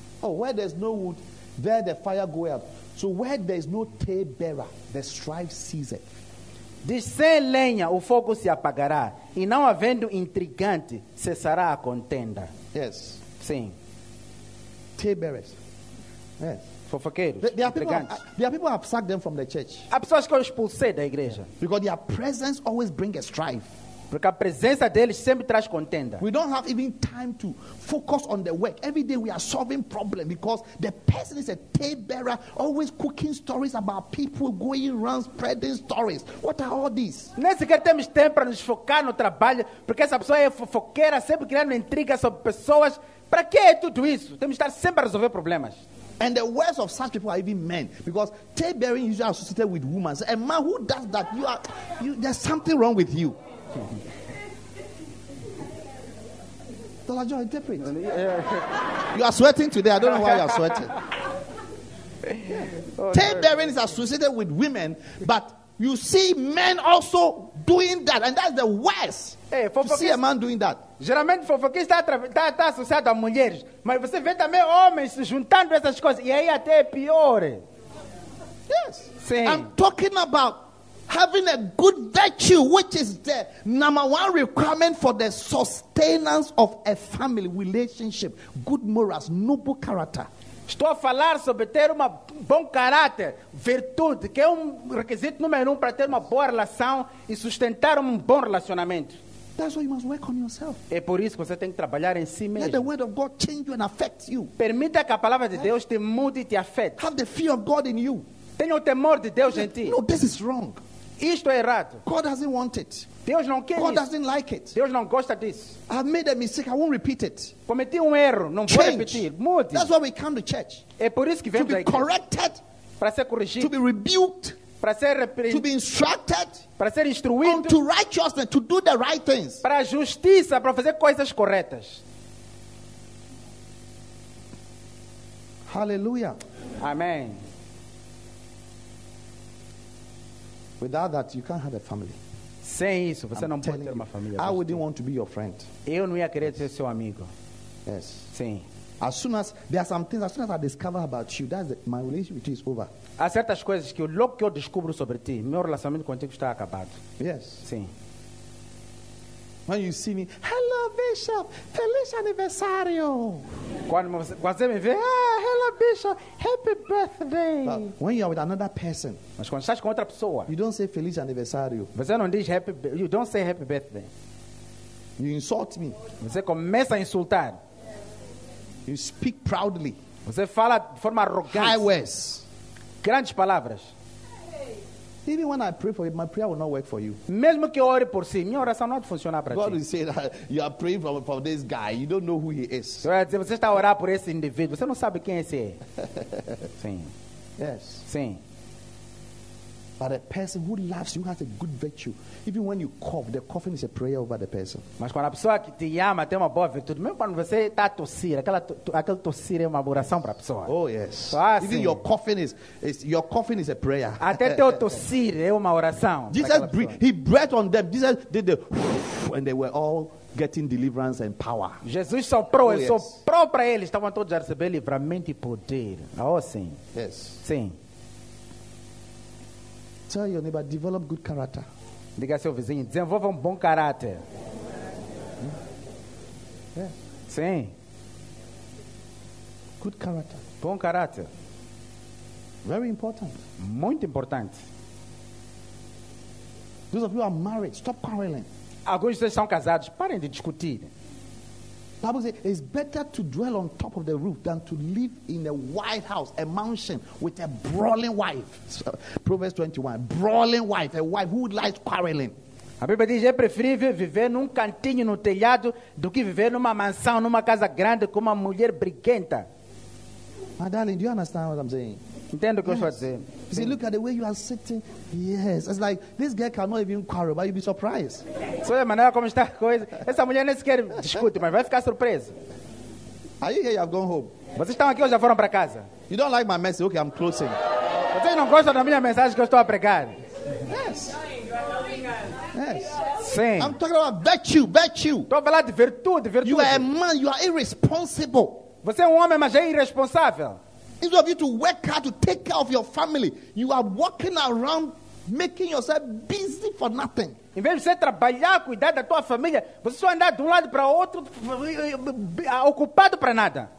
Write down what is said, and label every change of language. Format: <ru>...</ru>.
<en>Oh, where there's no wood, there the fire go up. So where there's no tail bearer, the strife ceases.</en> <pt>Diz, sem lenha o fogo se apagará, e não havendo intrigante, cessará a contenda.</pt> <en>Yes.</en> <pt>Sim.</pt> <en>Tale-bearers. Yes.</en> <pt>Fofoqueiros.</pt> <en>There are people who have sacked them from the church.</en> <pt>Há pessoas que eu expulsei da igreja.</pt> <en>Yeah. Because their presence always brings a strife.</en> <pt>Porque a presença deles sempre traz contenda.</pt> <en>We don't have even time to focus on the work. Every day we are solving problems because the person is a tale-bearer, always cooking stories about people going around spreading stories. What are all these?</en> <pt>Nem sequer temos tempo para nos focar no trabalho, porque essa pessoa é fofoqueira, sempre criando intrigas sobre pessoas. Para que é tudo isso? Temos que estar sempre a resolver problemas.</pt> <en>And the words of such people are even men, because tail bearing is usually associated with women. So a man who does that, there's something wrong with you. Dollar Joe, interpret. You are sweating today. I don't know why you are sweating. Yeah. Tail bearing is associated with women, but you see men also doing that, and that's the worst. Hey, to see a man doing that.</en> <pt>Geralmente fofoquês está associado a mulheres, mas você vê também homens se juntando essas coisas, e aí até é pior.</pt> <en>Yes.</en> <pt>Sim.</pt> <en>I'm talking about having a good virtue, which is the number one requirement for the sustenance of a family relationship, good morals, noble character.</en> <pt>Estou a falar sobre ter um bom caráter, virtude, que é requisito número para ter uma boa relação e sustentar bom relacionamento.</pt> <en>That's why you must work on yourself.</en> <pt>É por isso que você tem que trabalhar em si mesmo.</pt> <en>Let the word of God change you and affect you.</en> <pt>Permita que a palavra de Deus te mude e te afete.</pt> <en>Have the fear of God in you.</en> <pt>Tenha o temor de Deus em ti.</pt> <en>No, this is wrong.</en> <pt>Isto é errado.</pt> <en>God doesn't want it.</en> <pt>Deus não quer.</pt> <en>God doesn't like it.</en> <pt>Deus não gosta disso.</pt> <en>I made a mistake. I won't repeat it.</en> <pt>Cometi erro. Não vou repetir. Mude.</pt> <en>That's why we come to church.</en> <pt>É por isso que vem</pt> <en>to be corrected.</en> <pt>Para ser corrigido.</pt> <en>To be rebuked.</en> <pt>Para ser repreendido.</pt> <en>To be instructed.</en> <pt>Para ser instruído.</pt> <en>Unto righteousness, to do the right things.</en> <pt>Para a justiça, para fazer coisas corretas.</pt> <en>Hallelujah.</en> <pt>Amém.</pt> <en>Without that, you can't have a family.</en> <pt>Sem isso, você não pode ter uma família.</pt> <en>I wouldn't want to be your friend.</en> <pt>Eu não ia querer ser seu amigo.</pt> <en>Yes.</en> <pt>Sim.</pt> <en>As soon as there are some things, as soon as I discover about you, that's my relationship with you is over.</en> <pt>Há certas coisas que logo que eu descubro sobre ti, meu relacionamento contigo está acabado.</pt> <en>Yes.</en> <pt>Sim.</pt> <en>When you see me, hello Bishop,</en> <pt>feliz aniversário. Quando você me vê,</pt> <en>hello Bishop, happy birthday. But when you are with another person,</en> <pt>mas quando estás com outra pessoa,</pt> <en>you don't say</en> <pt>feliz aniversário. Você não diz</pt> <en>happy, you don't say happy birthday. You insult me.</en> <pt>Você começa a insultar.</pt> <en>You speak proudly.</en> <pt>Você fala de forma arrogante.</pt> <en>High words.</en> <pt>Grandes palavras.</pt> <en>Even when I pray for you, my prayer will not work for you.</en> <pt>Mesmo que ore por si, minha oração não funciona para ti.</pt> <en>God will say that you are praying for this guy. You don't know who he is.</en> <pt>Você está a orar por esse indivíduo. Você não sabe quem esse é. Sim.</pt> <en>Yes.</en> <pt>Sim.</pt> <en>But a person who loves you has a good virtue. Even when you cough, the coughing is a prayer over the person.</en> <pt>Mas quando a pessoa que te ama tem uma boa virtude, mesmo quando você está a tossir, aquela tossir é uma oração para a pessoa.</pt> <en>Oh, yes. Ah, even your coughing is a prayer.</en> <pt>Até teu tossir é uma oração.</pt> <en>Jesus, he breathed on them. Jesus did the, and they were all getting deliverance and power.</en> <pt>Jesus soprou,</pt> <en>oh, yes.</en> <pt>Soprou para eles. Estavam todos a receber livramento e poder. Oh, sim.</pt> <en>Yes.</en> <pt>Sim.</pt> <en>Tell your neighbor, develop good character.</en> <pt>Diga ao seu vizinho, desenvolva bom caráter.</pt> <en>Yes.</en> <pt>Sim.</pt> <en>Good character.</en> <pt>Bom caráter.</pt> <en>Very important.</en> <pt>Muito importante.</pt> <en>Those of you are married, stop quarreling.</en> <pt>Alguns de vocês são casados, parem de discutir.</pt> <en>Bible says it's better to dwell on top of the roof than to live in a white house, a mansion with a brawling wife. So, Proverbs 21, brawling wife, a wife who likes quarreling.</en> <pt>A Bíblia diz é preferível viver num cantinho no telhado do que viver numa mansão, numa casa grande com uma mulher briguenta.</pt> <en>My darling, do you understand what I'm saying?</en> <pt>Entendo o que eu estou a dizer.</pt> <en>You see, look at the way you are sitting. Yes, it's like this girl cannot even quarrel, but you'll be surprised.</en> <pt>Só a maneira como está a coisa. Essa mulher nem sequer discute, mas vai ficar surpresa.</pt> <en>Are you here? You have gone home.</en> <pt>Vocês estão aqui ou já foram para casa?</pt> <en>You don't like my message? Okay, I'm closing.</en> <pt>Vocês não gostam da minha mensagem que eu estou a pregar?</pt> <en>Yes. Yes.</en> <pt>Sim.</pt> <en>I'm talking about virtue.</en> <pt>Estou a falar de virtude.</pt> <en>You are a man. You are irresponsible.</en> <pt>Você é homem, mas é irresponsável.</pt> <en>Instead of you to work hard to take care of your family, you are walking around making yourself busy for nothing.</en> <pt>Em vez de você trabalhar, cuidar da tua família, você só anda de lado para outro, ocupado para nada.</pt>